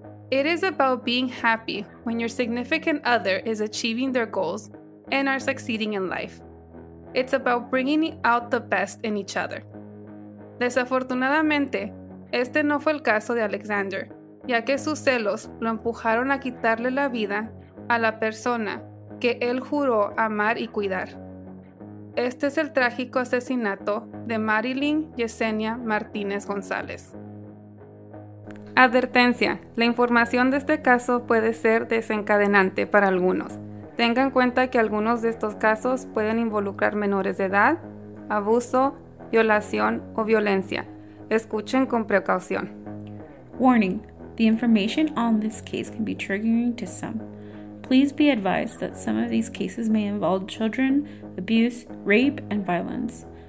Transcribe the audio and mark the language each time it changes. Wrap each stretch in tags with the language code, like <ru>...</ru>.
<en>It is about being happy when your significant other is achieving their goals and are succeeding in life. It's about bringing out the best in each other.</en> <es>Desafortunadamente, este no fue el caso de Alexander, ya que sus celos lo empujaron a quitarle la vida a la persona que él juró amar y cuidar. Este es el trágico asesinato de Marilyn Yesenia Martínez González. Advertencia, la información de este caso puede ser desencadenante para algunos. Tenga en cuenta que algunos de estos casos pueden involucrar menores de edad, abuso, violación o violencia. Escuchen con precaución.</es> <en>Warning, the information on this case can be triggering to some. Please be advised that some of these cases may involve children, abuse, rape, and violence.</en>